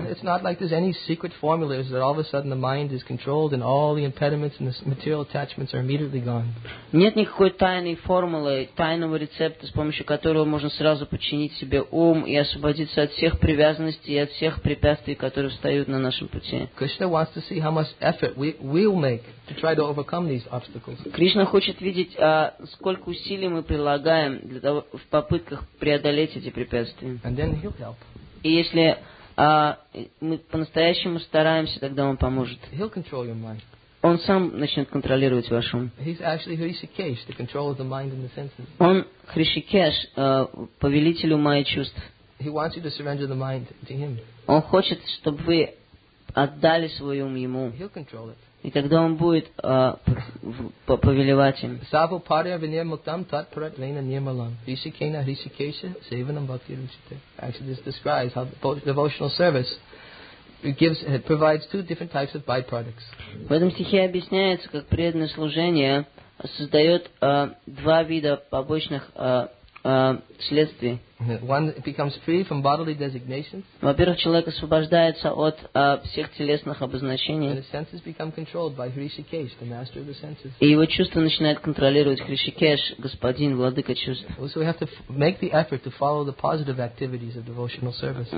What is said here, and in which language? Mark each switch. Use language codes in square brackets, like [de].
[en] It's not like there's any secret formulas that all of a sudden the mind is controlled and all the impediments and the material attachments are immediately gone. [ru] Нет никакой тайной формулы, тайного рецепта, с помощью которого можно сразу подчинить себе ум и освободиться от всех привязанностей и от всех препятствий, которые встают на нашем пути. [en] Krishna wants to see how much effort we'll make to try to overcome these obstacles. [ru] Кришна хочет видеть, сколько усилий мы прилагаем для того, в попытках преодолеть эти препятствия. [en] And then he'll help. [ru] И если мы по-настоящему стараемся, тогда он поможет. [en] He'll control your mind. [ru] Он сам начнет контролировать ваш ум. [en] He's actually Hrishikesh, the controller of the mind and the senses. [ru] Он Хришикеш, повелитель ума и чувств. [en] He wants you to surrender the mind to him. [ru] Он хочет, чтобы вы отдали свой ум ему. [en] He'll control it. [ru] И тогда он будет повелевать им. [sa] Саву паря винья муктам тат парат вейна нирмалам. Ришикена Ришикеша севанам бхакти ручите. [en] Actually, this describes how devotional service provides two different types of byproducts. [ru] В этом стихе объясняется, как преданное служение создает два вида побочных следствий. [en] One becomes free from bodily designations. [ru] Во-первых, человек освобождается от всех телесных обозначений. [en] And his senses become controlled by Hrishikesh, the master of the senses. [ru] И его чувства начинают контролировать Хришикеш, господин, владыка чувств. [en] So we have to make the effort to follow the positive activities of devotional service.